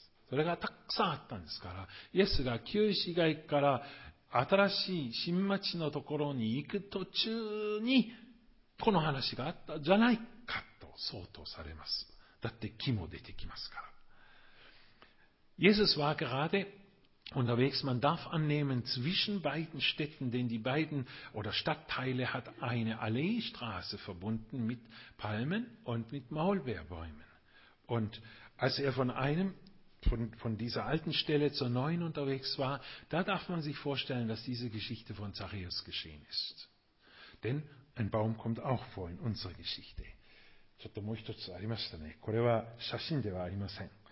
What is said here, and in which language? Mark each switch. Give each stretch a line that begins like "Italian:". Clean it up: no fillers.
Japanese: それがたくさんあったんですから、イエスが旧市街から新しい新町のところに行く途中にこの話があったじゃないかと相当されます。だって木も出てきますから。
German: Jesus war gerade unterwegs. Man darf annehmen, zwischen beiden Städten, denn die beiden oder Stadtteile hat eine Alleestraße verbunden mit Palmen und mit Maulbeerbäumen. Und als er von dieser alten Stelle zur neuen unterwegs war, da darf man sich vorstellen, dass diese Geschichte von Zachäus geschehen ist. Denn ein Baum kommt auch vor in unserer Geschichte.
Japanese: ちょっともう一つありましたね。これは写真ではありません。